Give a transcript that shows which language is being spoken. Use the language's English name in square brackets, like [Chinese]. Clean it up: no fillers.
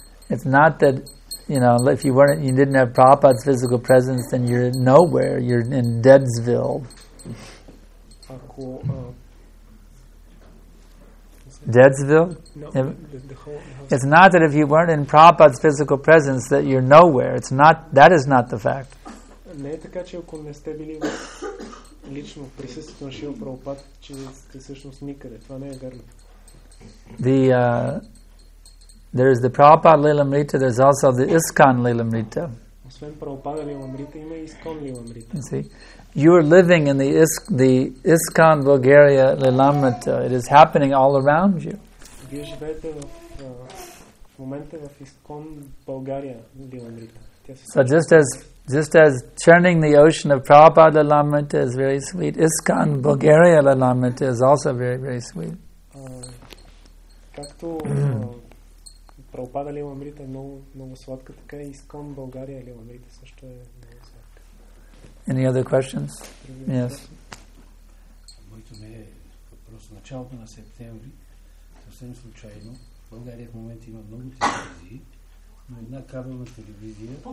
[English] It's not that, you know, if you weren't, you didn't have Prabhupada's physical presence, then you're nowhere, you're in Deadsville. Deadsville? No. It's not that if you weren't in Prabhupada's physical presence, that you're nowhere. It's not, that is not the fact. [Bulgarian] Не е така, че ако не сте били лично в присъствието на Шрила Прабхупада, че сте всъщност никъде. Това не е вярно. [English] There is the Prabhupada Lilamrita, there's also the ISKCON Lilamrita. [Bulgarian] Освен Прабхупада Лиламрита, има и ISKCON Лиламрита. [English] You are living in the ISKCON Bulgaria Lilamrita. It is happening all around you. [Bulgarian] Вие живеете в момента в ISKCON България Лиламрита. [English] So just as churning the ocean of Prabhupada Lilamrita is very sweet, ISKCON Bulgaria Lilamrita is also very, very sweet. [Bulgarian] Както Prabhupada Lilamrita е много, много сладка, така и ISKCON Bulgaria Lilamrita също е много сладка. [English] Any other questions? Yes. [Bulgarian] Моето ме е въпрос. Началото на септември, съвсем случайно, България в момента има много телевизии, но една кабелна телевизия.